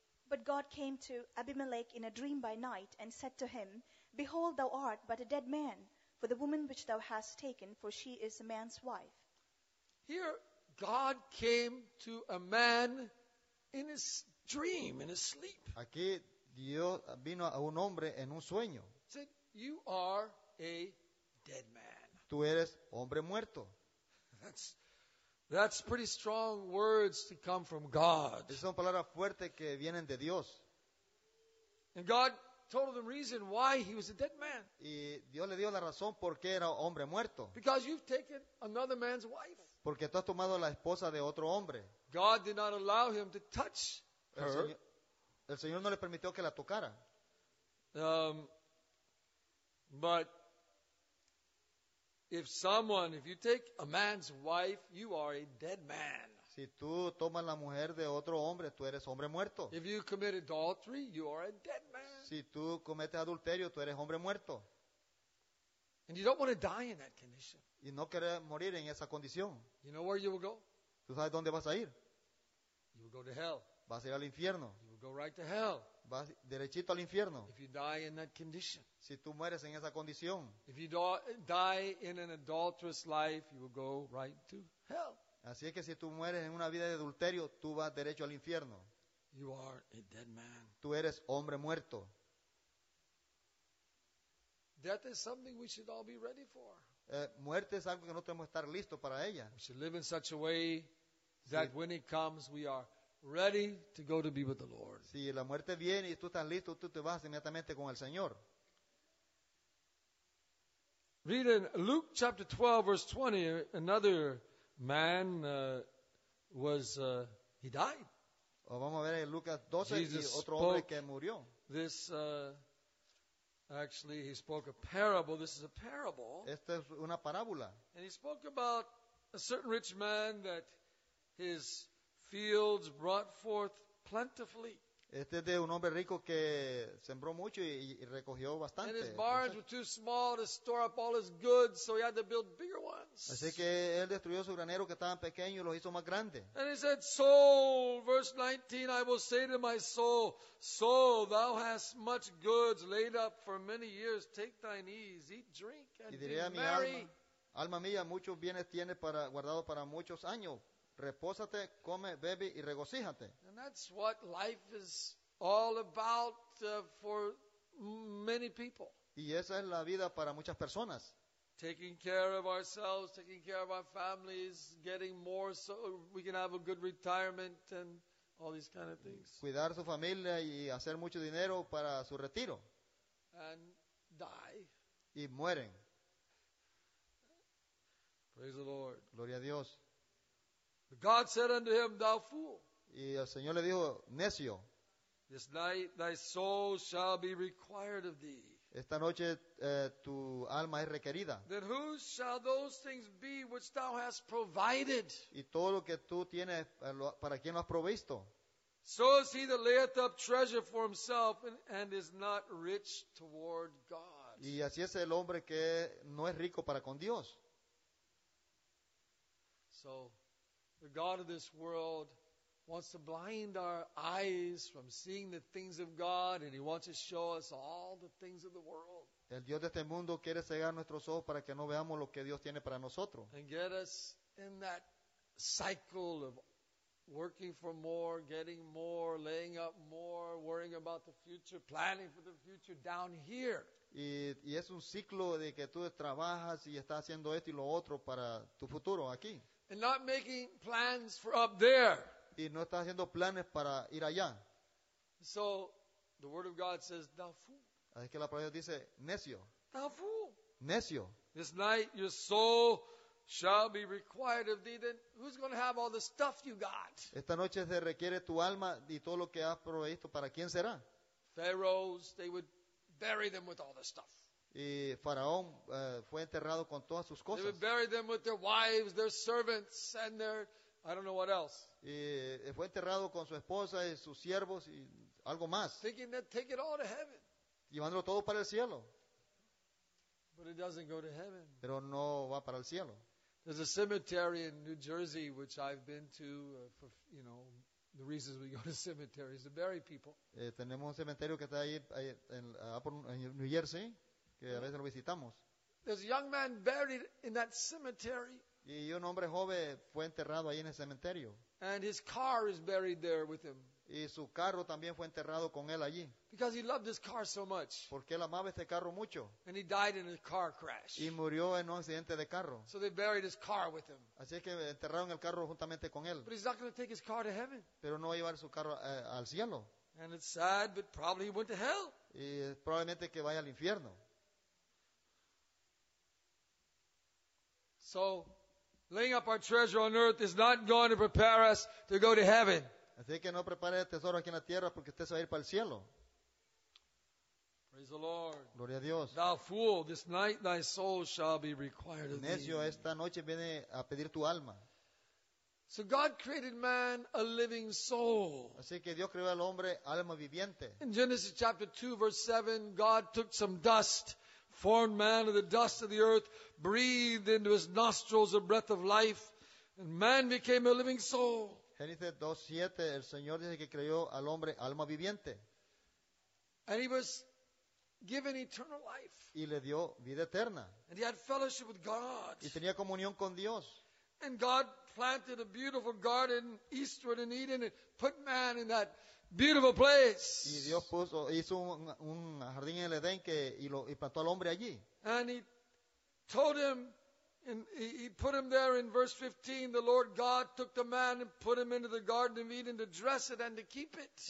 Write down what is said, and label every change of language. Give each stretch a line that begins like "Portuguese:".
English: But God came to Abimelech in a dream by night and said to him, "Behold, thou art but a dead man, for the woman which thou hast taken, for she is a man's wife." Here, God came to a man in his dream, in his sleep.
Spanish: Aquí Dios vino a un hombre en un sueño.
English: He said, "You are a dead man."
Spanish: Tú eres hombre muerto.
English: That's pretty strong words to come from God.
Spanish: Es una palabra fuerte que vienen de Dios.
English: And God told him the reason why he was a dead man.
Spanish: Y Dios le dio la razón por qué era hombre muerto.
English: Because you've taken another man's wife.
Spanish: Porque tú has tomado la esposa de otro hombre.
English: God did not allow him to touch her.
Spanish: El Señor no le permitió que la tocara.
English: But if someone, if you take a man's wife, you are a dead man.
Spanish: Si tú tomas la mujer de otro hombre, tú eres hombre muerto.
English: If you commit adultery, you are a dead man.
Spanish: Si tú cometes adulterio, tú eres hombre muerto.
English: And you don't want to die in that condition.
Spanish: Y no querer morir en esa condición.
English: You know where you will go?
Spanish: ¿Tú sabes dónde vas a ir?
English: You will go to hell.
Spanish: Vas a ir al infierno.
English: You will go right to hell.
Spanish: Vas derechito al infierno.
English: If you die in that condition.
Spanish: Si tú mueres en esa condición.
English: If you die in an adulterous life, you will go right to hell.
Spanish: Así es que si tú mueres en una vida de adulterio, tú vas derecho al infierno.
English: You are a dead man.
Spanish: Tú eres hombre muerto.
English: Death is something we should all be ready for.
Spanish: Muerte es algo que no tenemos que estar listos para ella.
English: We should live in such a way that when it comes, we are ready to go to be with the Lord.
Spanish: Si la muerte viene y tú estás listo, tú te vas inmediatamente con el Señor.
English: Read in Luke chapter 12, verse 20. Another man he died.
Spanish: O vamos a ver en Lucas 12 y otro hombre que murió.
English: This actually he spoke a parable. This is a parable.
Spanish: Esta es una parábola.
English: And he spoke about a certain rich man that his fields brought forth plentifully.
Spanish: Este es de un hombre rico que sembró mucho y recogió bastante.
English: And his barns were too small to store up all his goods, so he had to build bigger ones.
Spanish: Así que él destruyó su granero que estaban pequeños y los hizo más grandes.
English: And he said, "Soul, verse 19, I will say to my soul, soul, thou hast much goods laid up for many years. Take thine ease, eat, drink, and be merry."
Spanish: Y diré a mi alma mía, muchos bienes tienes para guardado para muchos años. Repósate, come, bebe y regocíjate.
English: And that's what life is all about for many people.
Spanish: Y esa es la vida para muchas personas.
English: Taking care of ourselves, taking care of our families, getting more so we can have a good retirement and all these kind of things.
Spanish: Cuidar su familia y hacer mucho dinero para su retiro.
English: And die.
Spanish: Y mueren.
English: Praise the Lord.
Spanish: Gloria a Dios.
English: God said unto him, "Thou fool."
Spanish: Y el Señor le dijo, necio.
English: This night thy soul shall be required of thee.
Spanish: Esta noche tu alma es requerida.
English: Then whose shall those things be which thou hast provided?
Spanish: Y todo lo que tú tienes, ¿para quién lo has provisto?
English: So is he that layeth up treasure for himself and is not rich toward God.
Spanish: Y así es el hombre que no es rico para con Dios.
English: So, the God of this world wants to blind our eyes from seeing the things of God, and He wants to show us all the things of the world.
Spanish: El Dios de este mundo quiere cegar nuestros ojos para que no veamos lo que Dios tiene para nosotros.
English: And get us in that cycle of working for more, getting more, laying up more, worrying about the future, planning for the future down here.
Spanish: Y es un ciclo de que tú trabajas y estás haciendo esto y lo otro para tu futuro aquí.
English: And not making plans for up there.
Spanish: Y no estás haciendo planes para ir allá.
English: So, the Word of God says, thou fool.
Spanish: Así que la palabra dice, necio.
English: Thou fool.
Spanish: Necio.
English: This night your soul shall be required of thee. Then who's going to have all the stuff you got?
Spanish: Esta noche se requiere tu alma y todo lo que has provisto. ¿Para quién será?
English: Pharaohs, they would bury them with all the stuff.
Spanish: Y Faraón fue enterrado con todas sus cosas.
English: They would bury them with their wives, their servants, and their, I don't know what else.
Spanish: Y fue enterrado con su esposa y sus siervos y algo más.
English: Thinking they'd take it all to heaven.
Spanish: Llevándolo todo para el cielo.
English: But it doesn't go to heaven.
Spanish: Pero no va para el cielo.
English: There's a cemetery in New Jersey which I've been to for, you know, the reasons we go to cemeteries to bury people.
Spanish: Tenemos un cementerio que está ahí en New Jersey que a veces lo visitamos.
English: There's a young man buried in that cemetery.
Spanish: Y un hombre joven fue enterrado ahí en el cementerio.
English: And his car is buried there with him.
Spanish: Y su carro también fue enterrado con él allí.
English: Because he loved his car so much.
Spanish: Porque él amaba este carro mucho.
English: And he died in a car crash.
Spanish: Y murió en un accidente de carro.
English: So they buried his car with him.
Spanish: Así es que enterraron el carro juntamente con él.
English: But he's not going to take his car to heaven.
Spanish: Pero no va a llevar su carro al cielo.
English: And it's sad, but probably he went to hell.
Spanish: Y probablemente que vaya al infierno.
English: So, laying up our treasure on earth is not going to prepare us to go to heaven.
Spanish: Así que no prepare el tesoro aquí en la tierra porque usted se va a ir para el cielo.
English: Praise the Lord.
Spanish: Gloria a Dios.
English: Thou fool, this night thy soul shall be required of thee.
Spanish: Necio, esta noche viene a pedir tu alma.
English: So God created man a living soul.
Spanish: Así que Dios creó al hombre alma viviente.
English: In Genesis chapter 2 verse 7, God took some dust, formed man of the dust of the earth, breathed into his nostrils a breath of life, and man became a living soul.
Spanish: Génesis 2:7, el Señor dice que creó al hombre alma viviente.
English: And he was given eternal life.
Spanish: Y le dio vida eterna.
English: And he had fellowship with God.
Spanish: Y tenía comunión con Dios.
English: And God planted a beautiful garden eastward in Eden and put man in that beautiful place.
Spanish: Y Dios puso, hizo un jardín en el Edén que, y plantó al hombre allí.
English: And he told him, and he put him there in verse 15. The Lord God took the man and put him into the Garden of Eden to dress it and to keep it.